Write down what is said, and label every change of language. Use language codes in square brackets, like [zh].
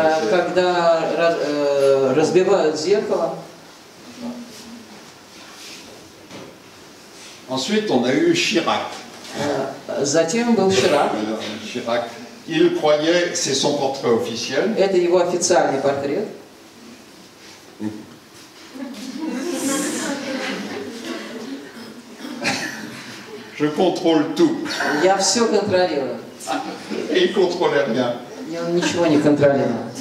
[ru] Когда разбивают зеркало. [fr] Ensuite, on a eu Chirac. [ru] Затем был Chirac. Chirac. [fr] Il croyait, c'est son portrait officiel. [ru] Это его официальный портрет. [fr] Je contrôle tout. [ru] Я все контролирую. [fr] Et il contrôlait rien. [ru] Я ничего не контролирую.